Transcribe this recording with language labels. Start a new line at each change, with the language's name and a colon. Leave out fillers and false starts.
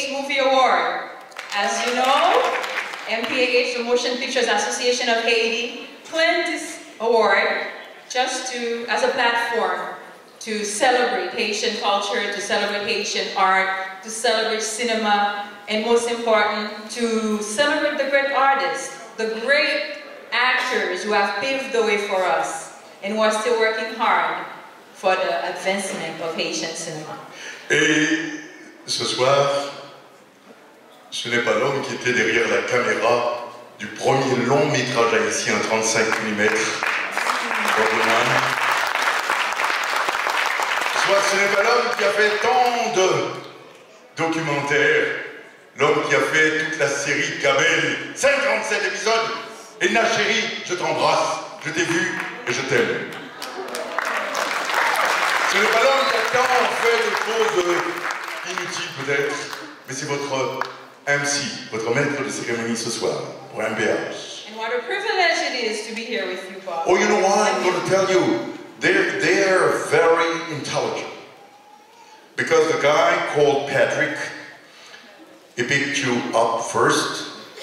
English: As you know, MPAH, the Motion Pictures Association of Haiti, claimed this award just to, as a platform to celebrate Haitian culture, to celebrate Haitian art, to celebrate cinema, and most important, to celebrate the great artists, the great actors who have paved the way for us and who are still working hard for the advancement of Haitian cinema.
French: Et ce soir, ce n'est pas l'homme qui était derrière la caméra du premier long métrage haïtien en 35 mm. Mm-hmm. Soit ce n'est pas l'homme qui a fait tant de documentaires, l'homme qui a fait toute la série Gabel, 57 épisodes. Et Na chérie, je t'embrasse, je t'ai vu et je t'aime. Ce n'est pas l'homme qui a tant fait de choses inutiles peut-être, mais c'est votre MC, votre maître de cérémonie ce soir, pour MBH.
English: And what a privilege it is to be here with you, Bob. Oh, you know what? I'm going to tell you. They're very intelligent. Because the guy called Patrick, he picked you up first.